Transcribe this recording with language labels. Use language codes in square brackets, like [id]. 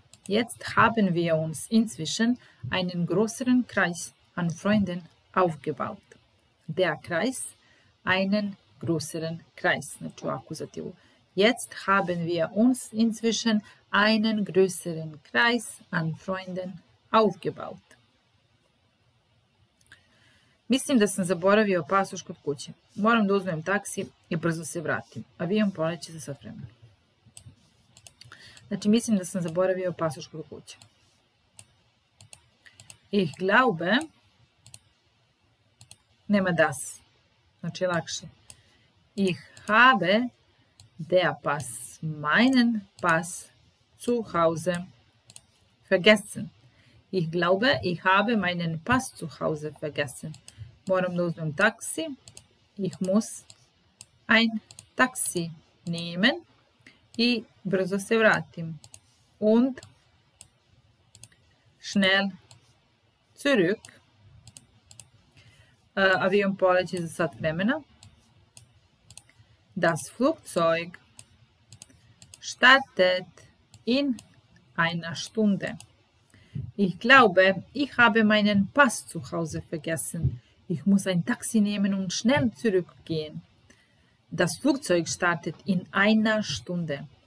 [de] Jetzt haben wir uns inzwischen einen größeren Kreis an Freunden aufgebaut. Der Kreis, einen größeren Kreis, [sr] znači u akuzativu. [de] Jetzt haben wir uns inzwischen einen größeren Kreis an Freunden aufgebaut. [sr] Mislim da sam zaboravio pasoš kod kuće. Moram da uzmem taksi i brzo se vratim. Avion poleće za sat vremena. Znači, mislim da sam zaboravio pasoš kod kuće. [de] Ich glaube, [sr] nema [de] das. [sr] Znači, lakše. [de] Ich habe der Pass, meinen Pass zu Hause vergessen. Ich glaube, ich habe meinen Pass zu Hause vergessen. [sr] Moram da uzmem taksi. [de] Ich muss ein Taxi nehmen. [sr] I brzo se vratim. [de] Und schnell zurück. [sr] Avion poleće za sat vremena. [de] Das Flugzeug startet in einer Stunde. Ich glaube, ich habe meinen Pass zu Hause vergessen. Ich muss ein Taxi nehmen und schnell zurückgehen. Das Flugzeug startet in einer Stunde.